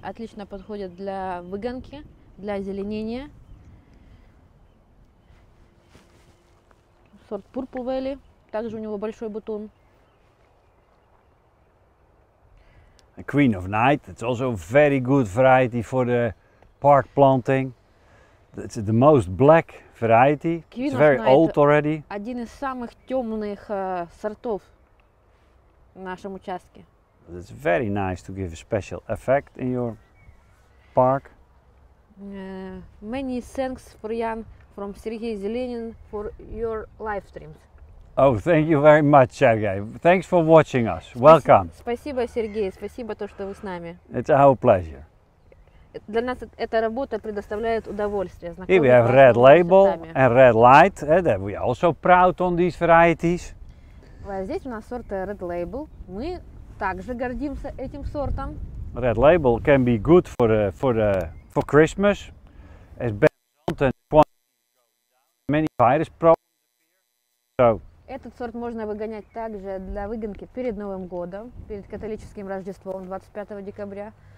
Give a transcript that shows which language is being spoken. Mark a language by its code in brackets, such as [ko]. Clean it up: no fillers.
[ru] Отлично подходит для выгонки, для озеленения. Сорт Purple Valley. Также у него большой бутон. [en] A Queen of Night. It's also a very good variety for the park planting. It's the most black variety. Queen it's very Night old already. [ru] Один из самых темных сортов в нашем участке. [en] But it's very nice to give a special effect in your park. Many thanks for Jan from Сергей Зеленин for your live streams. Oh, thank you very much, Sergey. Thanks for watching us. Welcome. [ru] Спасибо, Сергей. Спасибо то, что вы с нами. [en] It's our pleasure. [ru] Для нас эта работа предоставляет удовольствие. [en] Here we have red label and red light. That we are also proud on these varieties. [ru] Здесь у нас сорт red label. Мы также гордимся этим сортом. [en] Red label can be good for Christmas. As many virus problems. So. [ru] Этот сорт можно выгонять также для выгонки перед Новым годом, перед католическим Рождеством 25 декабря.